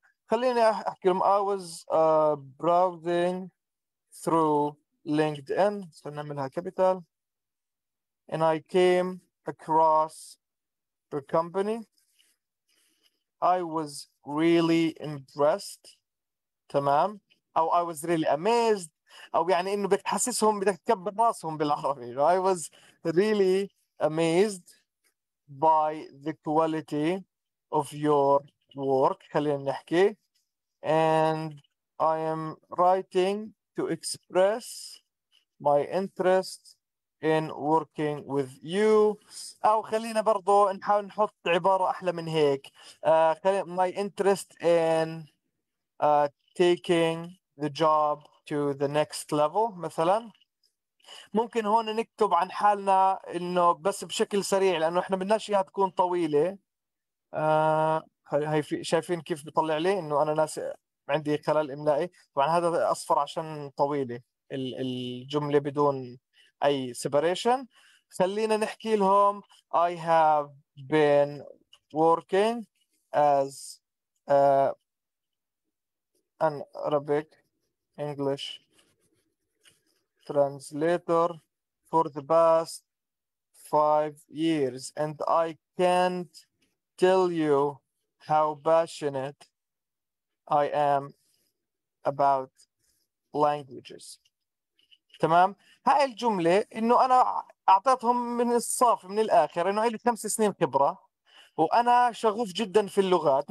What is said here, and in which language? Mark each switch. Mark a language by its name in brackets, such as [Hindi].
[Arabic] خليني احكي لهم [English] I was browsing through LinkedIn، [Arabic] سنعملها كابيتال، [English] and I came across per company. I was really impressed. [Arabic] تمام. [English] أو I was really amazed. [Arabic] أو يعني إنه بدك تحسسهم بدك تكبر راسهم بالعربي. [English] I was really amazed by the quality of your work. [Arabic] خلينا نحكي. [English] And I am writing to express my interest in working with you. [Arabic] أو خلينا برضو نحاول نحط عبارة أحلى من هيك. [English] My interest in taking the job to the next level, مثلا. [Arabic] ممكن هون نكتب عن حالنا إنه بس بشكل سريع لأنه إحنا بدناش إياها تكون طويلة. هاي في شايفين كيف بيطلع لي إنه أنا ناسي عندي خلل إملائي. طبعا هذا أصفر عشان طويلة الجملة بدون أي separation. خلينا نحكي لهم [English] I have been working as an Arabic English translator for the past 5 years and I can't tell you how passionate I am about languages. [Arabic] تمام. هاي الجملة انه انا اعطيتهم من الصاف من الاخر انه لي 5 سنين خبرة وانا شغوف جدا في اللغات.